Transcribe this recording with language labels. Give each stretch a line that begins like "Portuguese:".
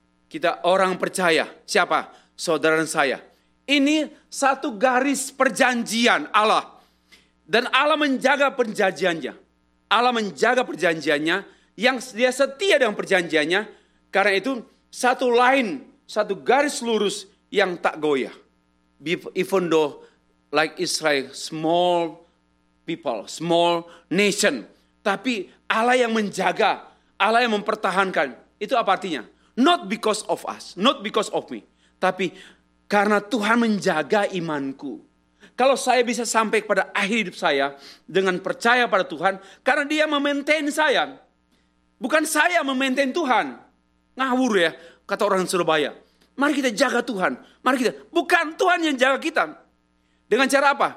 Indonesian: kita orang percaya. Siapa? Saudara dan saya. Ini satu garis perjanjian Allah. Dan Allah menjaga perjanjiannya. Allah menjaga perjanjiannya. Yang dia setia dengan perjanjiannya. Karena itu satu lain, satu garis lurus yang tak goyah.
English: Even though like Israel, small people, small nation.
Indonesian: Tapi Allah yang menjaga, Allah yang mempertahankan. Itu apa artinya?
English: Not because of us, not because of me.
Indonesian: Tapi karena Tuhan menjaga imanku. Kalau saya bisa sampai kepada akhir hidup saya dengan percaya pada Tuhan, karena dia memaintain saya. Bukan saya memaintain Tuhan. Ngawur ya, kata orang Surabaya. Mari kita jaga Tuhan. Mari kita. Bukan Tuhan yang jaga kita. Dengan cara apa?